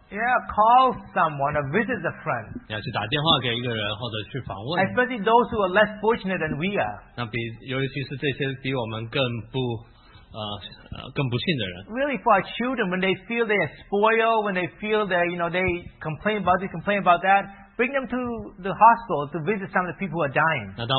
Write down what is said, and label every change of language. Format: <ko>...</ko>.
<en>You know, yeah, call someone or visit a friend.</en> <zh>要去打电话给一个人或者去访问。</zh> <en>Especially those who are less fortunate than we are.</en> <zh>尤其是这些比我们更不幸的人。</zh> <en>Really, for our children, when they feel they are spoiled, when they feel that, you know, they complain about this, complain about that, bring them to the hospital to visit some of the people who are dying.</en>